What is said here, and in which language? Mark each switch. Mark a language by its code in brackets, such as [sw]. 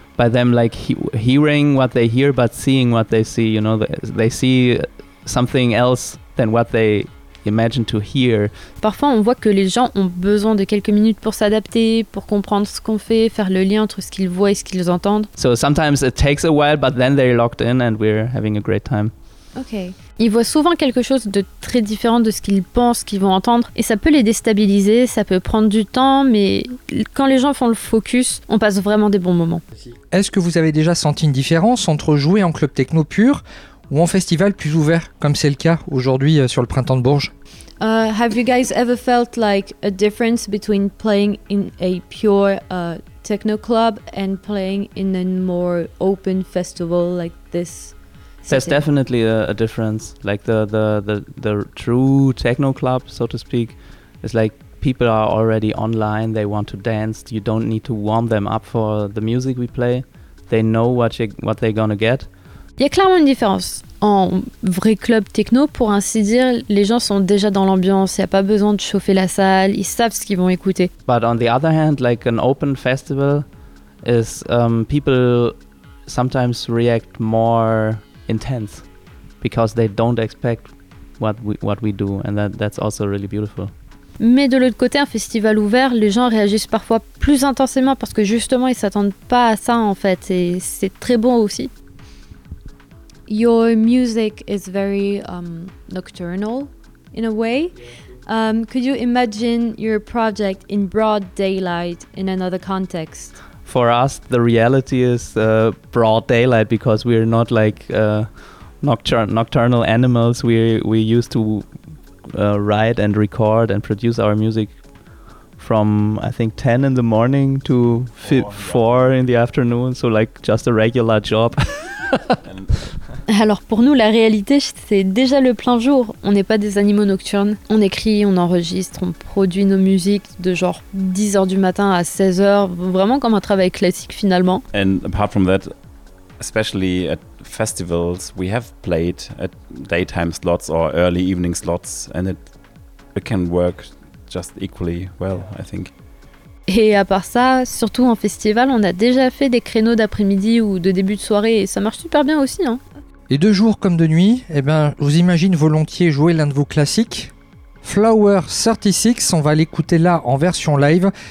[en] by them like hearing what they hear, but seeing what they see. You know, they see something else than what they imagine to hear. [fr] Parfois, on voit que les gens ont besoin de quelques minutes pour s'adapter, pour comprendre ce qu'on fait, faire le lien entre ce qu'ils voient et ce qu'ils entendent. [en] So sometimes it takes a while, but then they're locked in and we're having a great time. Okay. [fr] Ils voient souvent quelque chose de très différent de ce qu'ils pensent qu'ils vont entendre et ça peut les déstabiliser, ça peut prendre du temps, mais quand les gens font le focus, on passe vraiment des bons moments. Est-ce que vous avez déjà senti une différence entre jouer en club techno pur ou en festival plus ouvert, comme c'est le cas aujourd'hui sur le printemps de Bourges? [en] Have you guys ever felt like a difference between playing in a pure techno club and playing in a more open festival like this? There's definitely a difference. Like the true techno club, so to speak, is like people are already online. They want to dance. You don't need to warm them up for the music we play. They know what they're gonna get. [fr] Il y a clairement une différence. En vrai club techno, pour ainsi dire, les gens sont déjà dans l'ambiance. Il y a pas besoin de chauffer la salle. Ils savent ce qu'ils vont écouter. [en] But on the other hand, like an open festival, is people sometimes react more intense because they don't expect what we do, and that's also really beautiful. [fr] Mais de l'autre côté, un festival ouvert, les gens réagissent parfois plus intensément parce que justement ils s'attendent pas à ça en fait, et c'est très bon aussi. [en] Your music is very nocturnal in a way. Could you imagine your project in broad daylight in another context? For us, the reality is broad daylight because we are not like nocturnal animals. We used to write and record and produce our music from, I think, 10 in the morning to 4 in the afternoon. So like just a regular job. [fr] Alors pour nous, la réalité, c'est déjà le plein jour. On n'est pas des animaux nocturnes. On écrit, on enregistre, on produit nos musiques de genre 10h du matin à 16h, vraiment comme un travail classique finalement. [en] And apart from that, especially at festivals, we have played at daytime slots or early evening slots, and it can work just equally well, I think. [fr] Et à part ça, surtout en festival, on a déjà fait des créneaux d'après-midi ou de début de soirée, et ça marche super bien aussi, hein. Et de jour comme de nuit, eh ben, je vous imagine volontiers jouer l'un de vos classiques. Flower 36, on va l'écouter là en version live.